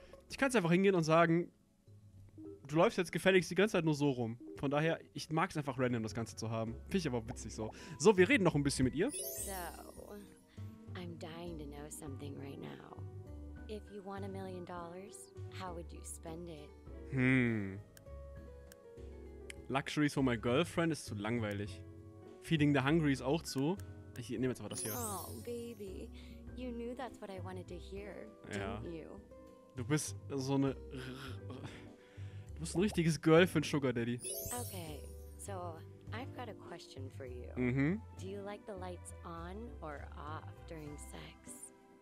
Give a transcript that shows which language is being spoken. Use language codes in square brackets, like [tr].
[de] Ich kann jetzt einfach hingehen und sagen... Du läufst jetzt gefälligst die ganze Zeit nur so rum. Von daher, ich mag es einfach random, das Ganze zu haben. Finde ich aber witzig so. So, wir reden noch ein bisschen mit ihr. [en] So, I'm dying to know something right now. If you want $1 million, how would you spend it? Luxuries for my girlfriend [de] ist zu langweilig. [en] Feeding the hungry [de] ist auch zu. Ich nehme jetzt aber das hier. [en] Oh, baby. You knew that's what I wanted to hear, [de] ja. [en] Didn't you? [de] Du bist so eine... Du bist ein richtiges Girl für einen Sugar Daddy. [en] Okay, so I've got a question for you. Mhm. Do you like the lights on or off during sex?